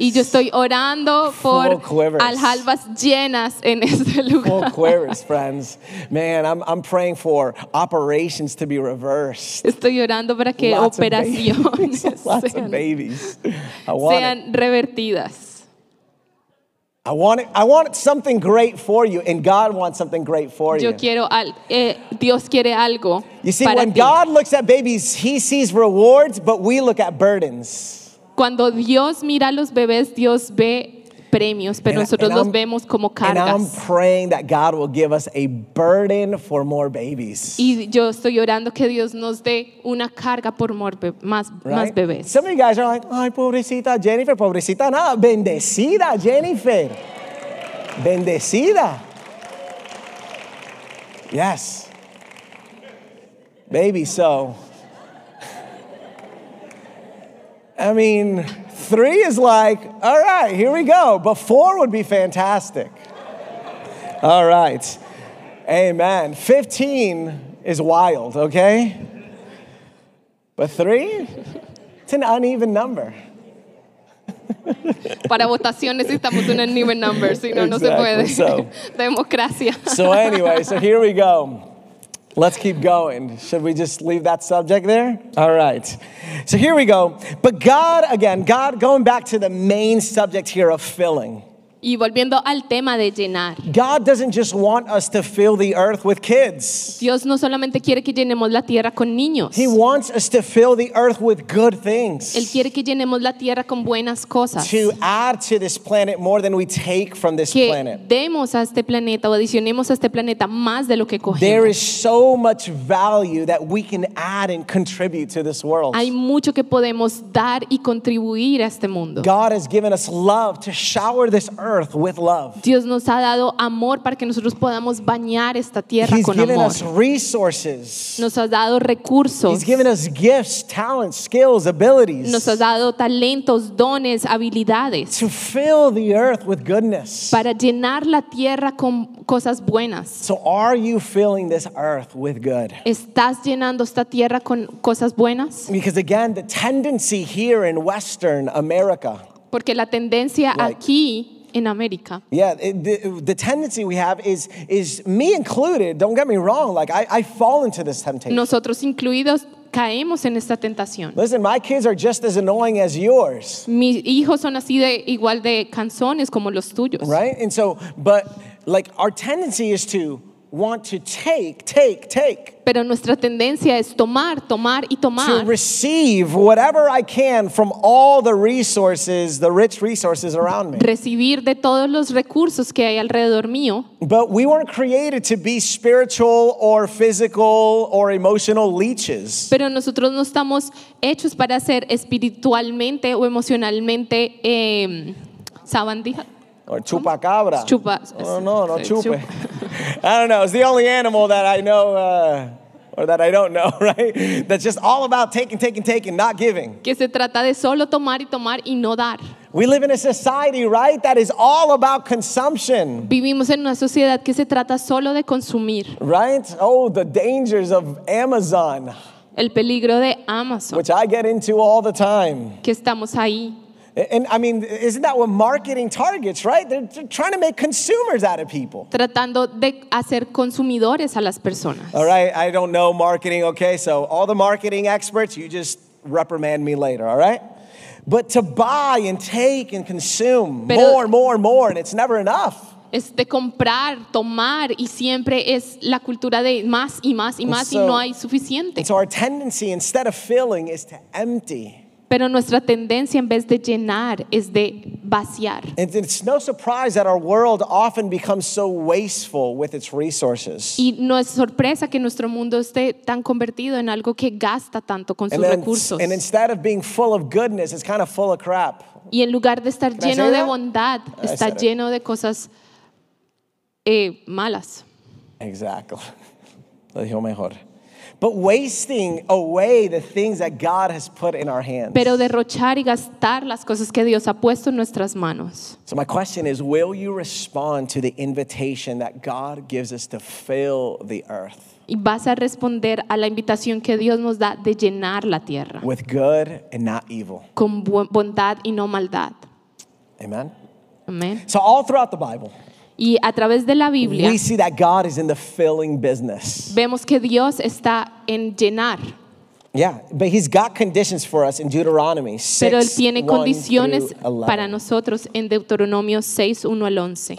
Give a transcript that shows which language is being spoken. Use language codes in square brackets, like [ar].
[es] Y yo estoy orando por aljabas llenas en este lugar. [en] Full quivers, friends. Man, I'm praying for operations to be reversed. [es] Estoy orando para que [en] lots [es] operaciones [en] of [es] sean, [en] babies. [es] Sean revertidas. [en] I want something great for you, and God wants something great for [es] yo [en] you. [es] Quiero Dios quiere algo. [en] You see, [es] para [en] when [es] ti. [en] God looks at babies, He sees rewards, but we look at burdens. [es] Cuando Dios mira a los bebés, Dios ve premios, pero nosotros los vemos como cargas. [en] And I'm praying that God will give us a burden for more babies. [es] Y yo estoy orando que Dios nos dé una carga por más bebés. [en] Some of you guys are like, [es] ay, pobrecita Jennifer, pobrecita nada. Bendecida, Jennifer. Bendecida. [en] Yes. Baby, so. I mean, three is like, all right, here we go. But four would be fantastic. All right. Amen. 15 is wild, okay? But three? It's an uneven number. [es] Para votación necesitamos una nube [en] number, [es] si no, [en] exactly. [es] No se puede. [en] So, [es] democracia. [en] So anyway, so here we go. Let's keep going. Should we just leave that subject there? All right. So here we go. But God, again, God, going back to the main subject here of filling. [es] Y volviendo al tema de llenar. [en] God doesn't just want us to fill the earth with kids. [es] Dios no solamente quiere que llenemos la tierra con niños. [en] He wants us to fill the earth with good things. [es] Él quiere que llenemos la tierra con buenas cosas. [en] To add to this planet more than we take from this [es] que [en] planet. [es] Que demos a este planeta o adicionemos a este planeta más de lo que cogemos. [en] There is so much value that we can add and contribute to this world. [es] Hay mucho que podemos dar y contribuir a este mundo. [en] God has given us love to shower this earth with love. [es] Dios nos ha dado amor para que nosotros podamos bañar esta tierra con amor. [en] He's given us resources. [es] Nos ha dado recursos. [en] He's given us gifts, talents, skills, abilities. [es] Nos ha dado talentos, dones, habilidades. [en] To fill the earth with goodness. [es] Para llenar la tierra con cosas buenas. [en] So are you filling this earth with good? [es] ¿Estás llenando esta tierra con cosas buenas? [en] Because again, the tendency here in Western America. [es] Porque la tendencia [en] like, [es] aquí en América. [en] Yeah, the tendency we have is me included, don't get me wrong, like I fall into this temptation. [es] Nosotros incluidos caemos en esta tentación. [en] Listen, my kids are just as annoying as yours. [es] Mis hijos son así de igual de cansones como los tuyos. [en] Right? And so, but like our tendency is to want to take. [es] Pero nuestra tendencia es tomar y tomar. [en] To receive whatever I can from all the resources, the rich resources around me. [es] Recibir de todos los recursos que hay alrededor mío. [en] But we weren't created to be spiritual or physical or emotional leeches. [es] Pero nosotros no estamos hechos para ser espiritualmente o emocionalmente sabandija. [en] Or chupacabra. [es] Chupa. Oh, no, chupe. [en] Chupa. I don't know. It's the only animal that I know, or that I don't know, right? That's just all about taking, not giving. [es] Que se trata de solo tomar y no dar. [en] We live in a society, right, that is all about consumption. [es] Vivimos en una sociedad que se trata solo de consumir. [en] Right? Oh, the dangers of Amazon. [es] El peligro de Amazon. [en] Which I get into all the time. [es] Que estamos ahí. [en] And I mean, isn't that what marketing targets, right? They're trying to make consumers out of people. [es] Tratando de hacer consumidores a las personas. [en] All right, I don't know marketing, okay? So all the marketing experts, you just reprimand me later, all right? But to buy and take and consume more, and it's never enough. [es] Es de comprar, tomar, y siempre es la cultura de más, y no hay suficiente. [en] So our tendency, instead of filling, is to empty. [es] Pero nuestra tendencia en vez de llenar es de vaciar. [en] And it's no surprise that our world often becomes so wasteful with its resources. [es] Y no es sorpresa que nuestro mundo esté tan convertido en algo que gasta tanto con sus recursos. [en] And instead of being full of goodness, it's kind of full of crap. [es] Y en lugar de estar lleno de bondad, está lleno de cosas malas. Exacto. Lo dijo mejor. [en] But wasting away the things that God has put in our hands. [es] Pero derrochar y gastar las cosas que Dios ha puesto en nuestras manos. [en] So my question is, will you respond to the invitation that God gives us to fill the earth? [es] ¿Y vas a responder a la invitación que Dios nos da de llenar la tierra? [en] With good and not evil. [es] Con bondad y no maldad. Amen. Amen. [en] So all throughout the Bible. [es] Y a través de la Biblia, [en] we see that God is in the filling business. [es] Vemos que Dios está en llenar. [en] Yeah, but he's got conditions for us in Deuteronomy 6, [es] pero él tiene condiciones para nosotros en Deuteronomio 6, 1 al 11.